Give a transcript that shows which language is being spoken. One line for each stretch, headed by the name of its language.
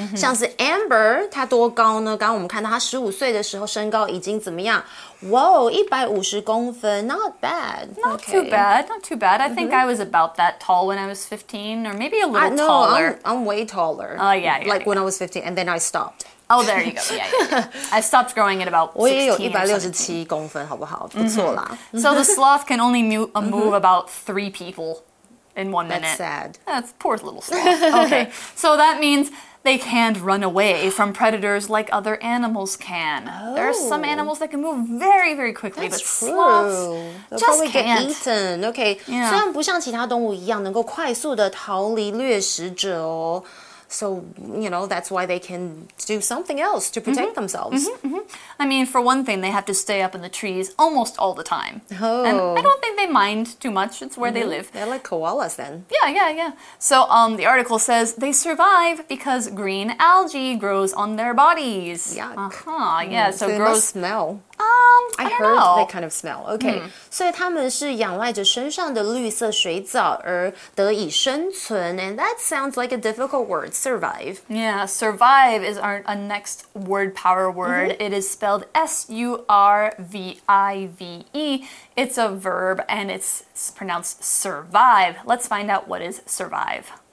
Chinese: 像是 Amber, 她多高呢？刚刚我们看到她15岁的时候身高已经怎么样？
English: Whoa,
Chinese: 150公分,
English: not bad. Not too bad, not too bad. I think I was about that tall when I was 15, or maybe a little taller. No, I'm way taller. Oh, yeah. Like when I was 15, and then I stopped. Oh, there you go. Yeah. I stopped growing at about 16 or 17.
Chinese: 我也有167公分好不好？不错啦。
English: So the sloth can only move about 3 people in 1 minute. That's sad. That's poor little sloth. Okay. So that means they can't run away from predators like other animals can. Oh, there are some animals that can move very, very quickly, but sloths just can't. They'll probably get eaten. Okay. Yeah.
Chinese: 虽然不像其他动物一样能够快速地逃离掠食者哦。
English: So, you know, that's why they can do something else to protect themselves. I mean, for one thing, they have to stay up in the trees almost all the time. Oh. And I don't think they mind too much. It's where they live. They're like koalas then. Yeah. So, the article says, they survive because green algae grows on their bodies. Yuck. Uh-huh, yeah. So they grows... must smell. I heard that kind of smell. Okay.
Chinese: 所以他们是仰赖着身上的绿色水藻而得以生存。
English: And that sounds like a difficult word, survive. Yeah, survive is our next word power word. Mm-hmm. It is spelled S-U-R-V-I-V-E. It's a verb and it's pronounced survive. Let's find out what is survive.